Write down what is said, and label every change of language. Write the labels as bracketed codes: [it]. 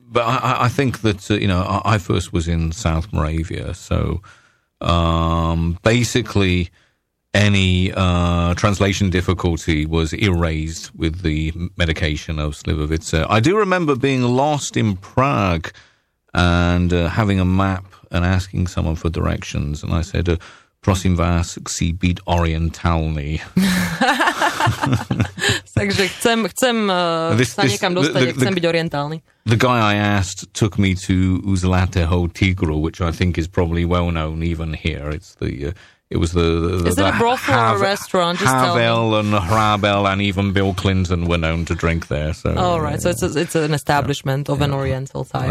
[en] But I think that, I first was in South Moravia, so basically any translation difficulty was erased with the medication of Slivovica. I do remember being lost in Prague and having a map and asking someone for directions, and I said, [sk] prosím vás, si byť orientálny. Takže chcem sa niekam dostať, chcem byť orientálny. [en] The guy I asked took me to Uzlatého Tigru, which I think is probably well known even here. It's the restaurant? Just Havel and Hrabel and even Bill Clinton were known to drink there. It's an establishment of an Oriental type.